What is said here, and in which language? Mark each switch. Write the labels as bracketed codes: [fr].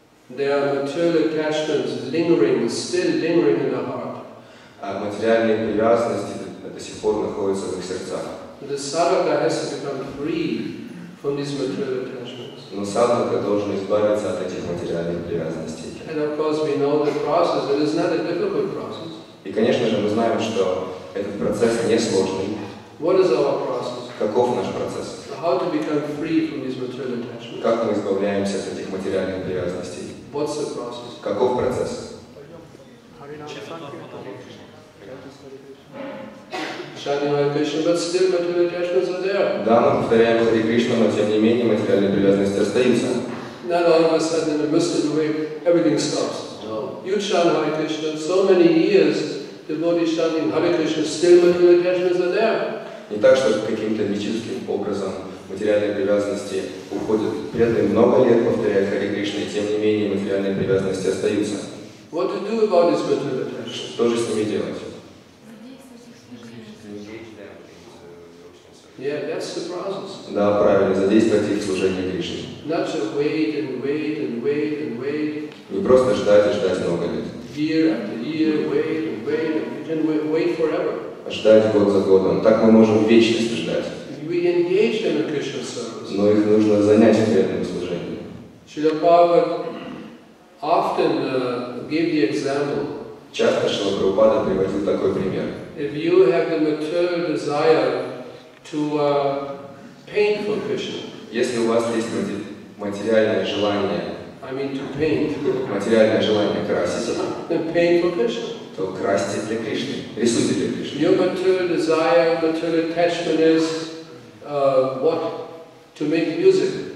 [en] There are material attachments lingering, still lingering in the heart. [ru] Материальные привязанности до сих пор находятся в их сердцах. [en] The sadhaka has to become free from these material attachments. [ru] Но садхака должен избавиться от этих материальных привязанностей. [en] And of course we know the process, it is not a difficult process. [ru] И, конечно же, мы знаем, что этот процесс несложный. [en] What is our process? [ru] Каков наш процесс? [en] How to become free from these material attachments? [ru] Как мы избавляемся от этих материальных привязанностей? [en] What's the process? [ru] Каков процесс? [en] But still material attachments are there. [ru] Да, мы повторяем Хари Кришну, но тем не менее материальные привязанности остаются. [en] Not all of a sudden in a Muslim way everything stops. No. You chant Hare Krishna, so many years devotees chanting Hare Krishna, still material attachments are there. [ru] Не так, что каким-то мистическим образом материальные привязанности уходят. Преданные много лет повторяют Хари Кришна, и тем не менее материальные привязанности остаются. [en] What to do about these material attachments? [ru] Что же с ними делать? [en] Yeah, that's the process. [ru] Да, правильно, задействовать их в служении Кришне. [en] Not to wait and wait and wait and wait. [ru] Не просто ждать и ждать много лет. [en] Year after year, wait and wait, and we can wait forever. [ru] Ждать год за годом. Так мы можем вечность ждать. [en] We engage in a Krishna service. [ru] Но их нужно занять в этом служении. [en] Srila Prabhupada often gave the example. [ru] Часто Шрила Прабхупада приводил такой пример. [en] If you have the material desire to paint for Krishna. [ru] Если у вас есть материальное желание, [en] I mean to paint. [ru] Материальное желание красить. [en] Then paint for Krishna. [ru] То красьте для Кришны, рисуйте для Кришны. [en] Your material desire, material attachment is what? To make music.